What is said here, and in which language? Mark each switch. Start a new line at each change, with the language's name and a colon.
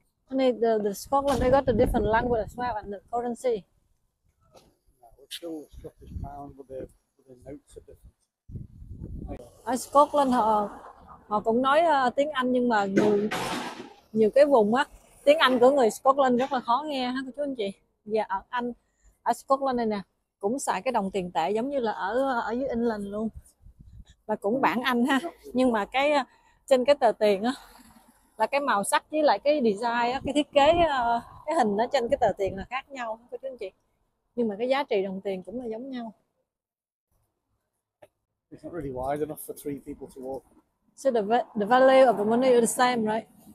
English: The Scotland, they got a different language as well and the currency. No, it's still the Scottish pound, but their notes are different.
Vietnamese: Ở Scotland họ cũng nói tiếng Anh nhưng mà nhiều cái vùng á tiếng Anh của người Scotland rất là khó nghe ha cô chú anh chị. Và ở Scotland này nè cũng xài cái đồng tiền tệ giống như là ở dưới England luôn và cũng bảng Anh ha, nhưng mà cái trên cái tờ tiền á là cái màu sắc với lại cái design á, cái thiết kế cái hình ở trên cái tờ tiền là khác nhau các anh chị, nhưng mà cái giá trị đồng tiền cũng là giống nhau.
English: It's not really wide enough for three people to walk. So the value of the money is the same, right?